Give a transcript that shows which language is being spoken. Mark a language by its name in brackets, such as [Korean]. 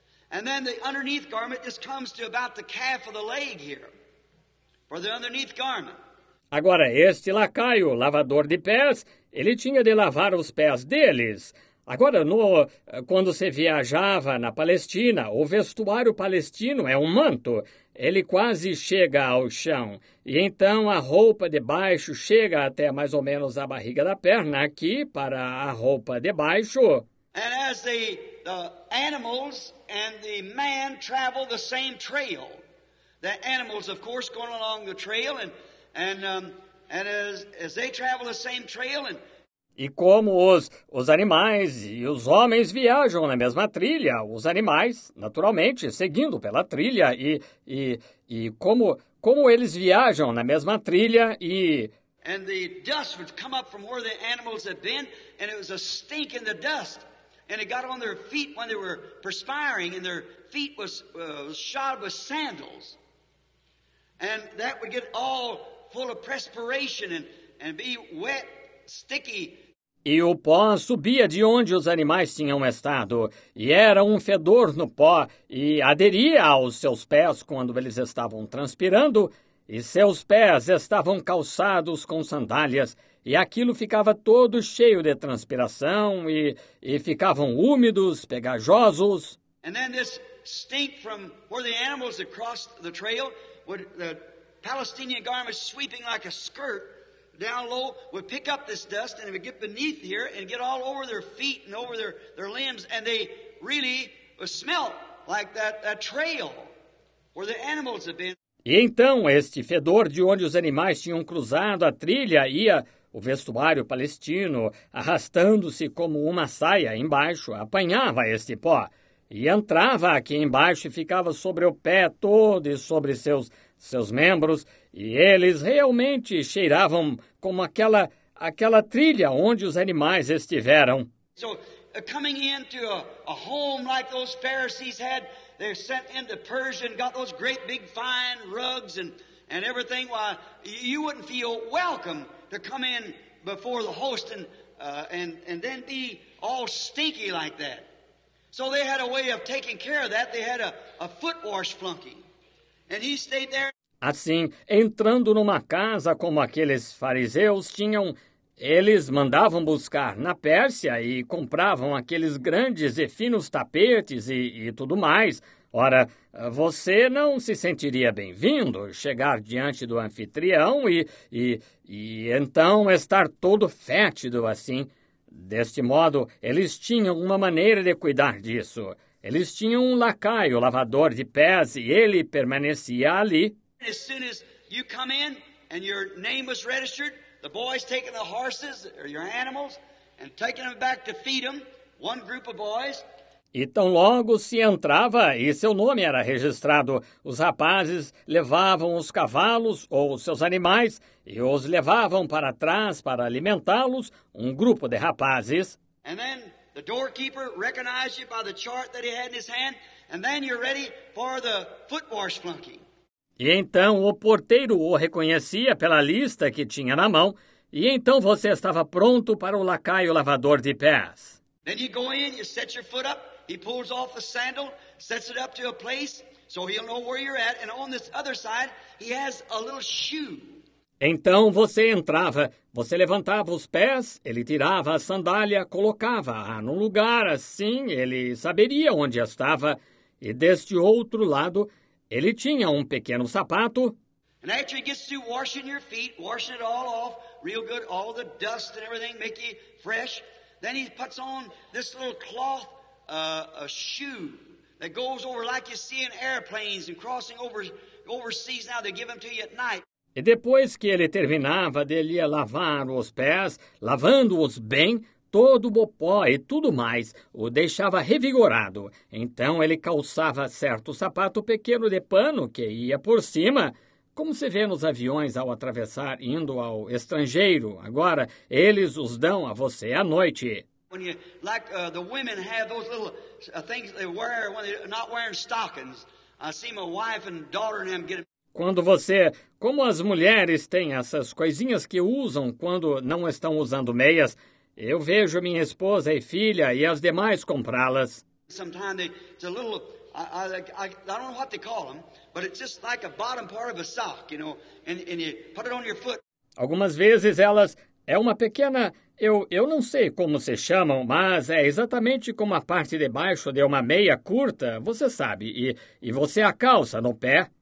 [English] And then the underneath garment just comes to about the calf of the leg here, for the underneath garment. [Portuguese] Agora, este lacaio, lavador de pés, ele tinha de lavar os pés deles. Agora, quando se viajava na Palestina, o vestuário palestino é um manto. Ele quase chega ao chão. E então a roupa de baixo chega até mais ou menos a barriga da perna aqui para a roupa de baixo. [English] And as the animals and the man travel the same trail. The animals, of course, going along the trail and as they travel the same trail and... [Portuguese] E como os animais e os homens viajam na mesma trilha, os animais, naturalmente, seguindo pela trilha, e como eles viajam na mesma trilha e... [English] And the dust would come up from where the animals had been, and it was a stink in the dust. And it got on their feet when they were perspiring, and their feet was shod with sandals. And that would get all full of perspiration and be wet, sticky. [Portuguese] E o pó subia de onde os animais tinham estado, e era um fedor no pó, e aderia aos seus pés quando eles estavam transpirando, e seus pés estavam calçados com sandálias, e aquilo ficava todo cheio de transpiração, e ficavam úmidos, pegajosos. [English] E then this stink from where the animals had crossed the trail, with the Palestinian garments sweeping like a skirt, down low would pick up this dust and it would get beneath here and get all over their feet and over their limbs and they really smelled like that trail where the animals had been. [Portuguese] E então este fedor de onde os animais tinham cruzado a trilha ia o vestuário palestino arrastando-se como uma saia embaixo apanhava este pó e entrava aqui embaixo e ficava sobre o pé todo e sobre seus membros, e eles realmente cheiravam como aquela trilha onde os animais estiveram. [English] So, coming into a home like those Pharisees had, they're sent into Persia and got those great big fine rugs and everything, why, you wouldn't feel welcome to come in before the host and then be all stinky like that. So they had a way of taking care of that, they had a foot wash flunky. And he stayed there. [Portuguese] Assim, entrando numa casa como aqueles fariseus tinham, eles mandavam buscar na Pérsia e compravam aqueles grandes e finos tapetes e tudo mais. Ora, você não se sentiria bem-vindo chegar diante do anfitrião e então estar todo fétido assim. Deste modo, eles tinham uma maneira de cuidar disso. Eles tinham um lacaio, lavador de pés, e ele permanecia ali. [English] As soon as you come in and your name was registered, the boys taking the horses or your animals and taking them back to feed them, one group of boys. [Portuguese] E tão logo se entrava e seu nome era registrado, os rapazes levavam os cavalos ou seus animais e os levavam para trás para alimentá-los, um grupo de rapazes. [English] And then the doorkeeper recognized you by the chart that he had in his hand, and then you're ready for the foot wash flunky. [Portuguese] E então o porteiro o reconhecia pela lista que tinha na mão, e então você estava pronto para o lacaio lavador de pés. [English] Then you go in, you set your foot up. He pulls off the sandal, sets it up to a place, so he'll know where you're at. And on this other side, he has a little shoe. [Portuguese] Então você entrava, você levantava os pés, ele tirava a sandália, colocava-a no lugar, assim ele saberia onde estava. E deste outro lado, ele tinha um pequeno sapato. [English] And after he gets to washing your feet, washing it all off, real good, all the dust and everything, make you fresh. Then he puts on this little cloth. A shoe that goes over like you see in airplanes and crossing overseas now, they give them to you at night. [Portuguese] E depois que ele terminava de lhe lavar os pés, lavando-os bem, todo o pó e tudo mais, o deixava revigorado. Então ele calçava certo sapato pequeno de pano que ia por cima, como se vê nos aviões ao atravessar indo ao estrangeiro. Agora eles os dão a você à noite. [English] When you, like the women have those little things they wear when they're not wearing stockings. I see my wife and daughter and them get it. [Portuguese] Quando você, como as mulheres têm essas coisinhas que usam quando não estão usando meias, eu vejo minha esposa e filha e as demais comprá-las. [English] Sometimes it's a little, I don't know what they call them, but it's just like a bottom part of a sock, you know, and you put it on your foot. [Portuguese] Algumas vezes elas, é uma pequena... Eu não sei como se chamam, mas é exatamente como a parte de baixo de uma meia curta, você sabe, e você a calça no pé.